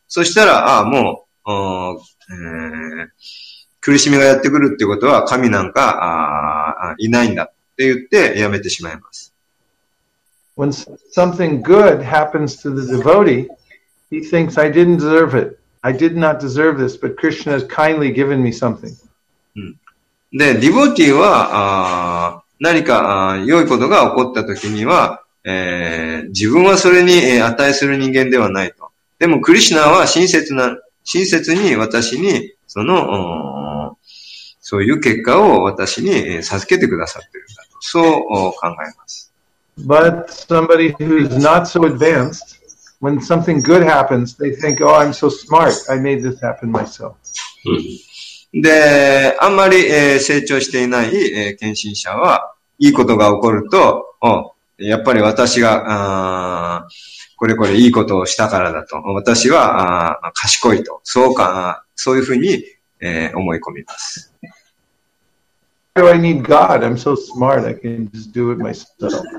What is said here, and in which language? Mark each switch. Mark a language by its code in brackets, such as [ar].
[ja] そしたら、もう、苦しみがやってくるっていうことは神なんかいないんだって言ってやめてしまいます。 [en] When something good happens to the devotee, he thinks I didn't deserve it. I did not deserve this, but Krishna has kindly given me something. [ja] で、ディボティは何か良いことが起こった時には、自分はそれに値する人間ではないと。でもクリシナは親切に私にそのそういう結果を私に授けてくださっているんだとそう考えます。 [en] But somebody who's not so advanced, when something good happens, they think, "Oh, I'm so smart. I made this happen myself." [ja] で、あんまり成長していない献身者はいいことが起こると、やっぱり私がこれこれいいことをしたからだと、私は賢いと、そういうふうに思い込みます。 [en] Why do I need God? I'm so smart. I can just do it myself.